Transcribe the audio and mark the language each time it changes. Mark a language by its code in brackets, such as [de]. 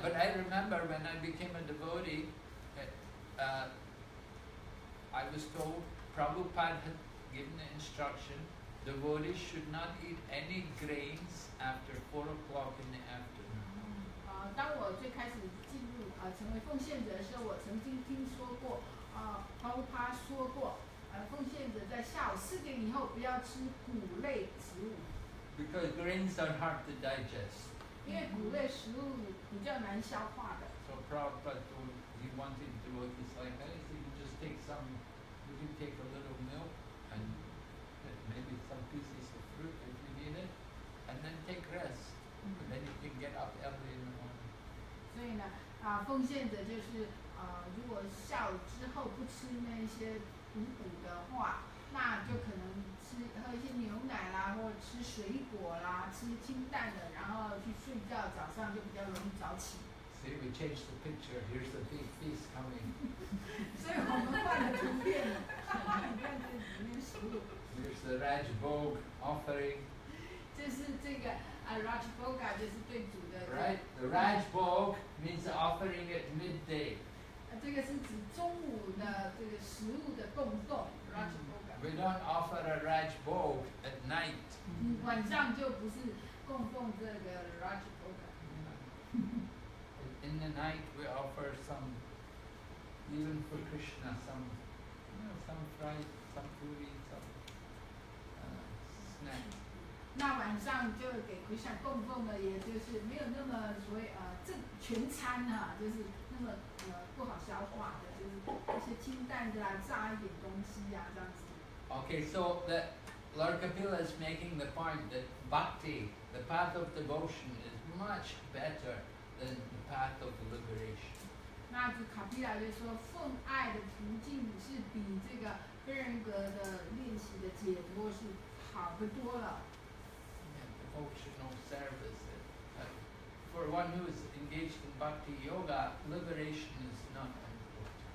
[en] But I remember when I became a devotee, I was told Prabhupada had given the instruction, devotees should not eat any grains after 4 o'clock in the afternoon. [zh] 当我最开始进入成为奉献者的时候，我曾经听说过Prabhupada说过奉献者在下午四点以后不要吃谷类食物。 [en] Because grains are hard to digest. [zh] 因为谷类食物比较难消化的。 [en] So Prabhupada told, he wanted to do this like that. He said, you can take a little milk and maybe some pieces of fruit if you need it, and then take rest. And then you can get up early in the morning. [zh] 所以呢奉献者就是如果下午之后不吃那些补的话，那就可能喝一些牛奶啦，或者吃水果啦，吃清淡的，然后去睡觉，早上就比较容易早起。 [en] See, we changed the picture. Here's the big feast coming. [zh] 所以我们换了图片了，你看这里面食物。 [en] Here's the Raj Bhog offering. [zh] 这是这个Raj Bhoga 就是对主的。 [en] Right, the Raj Bhog means offering at midday. [zh] 这个是指中午的这个食物的供奉。 [en] Raj Bhoga. We don't offer a Raj Bhog at night. [zh] 晚上就不是供奉这个 Raj Bhoga。 [en] In the night, we offer some, even for Krishna, some fried, some puri, some snack. [zh] 那晚上就给 Krishna 供奉的，也就是没有那么所谓全餐哈，就是那么不好消化的，就是一些清淡的啊，炸一点东西啊，这样子。 [en] Okay, so that Lord Kapila is making the point that bhakti, the path of devotion, is much better. Than the path of liberation. [zh] 那这卡皮亚就说，奉爱的途径是比这个非人格的练习的解脱是好得多了。 [en] Devotional service. For one who is engaged in bhakti yoga, liberation is not important.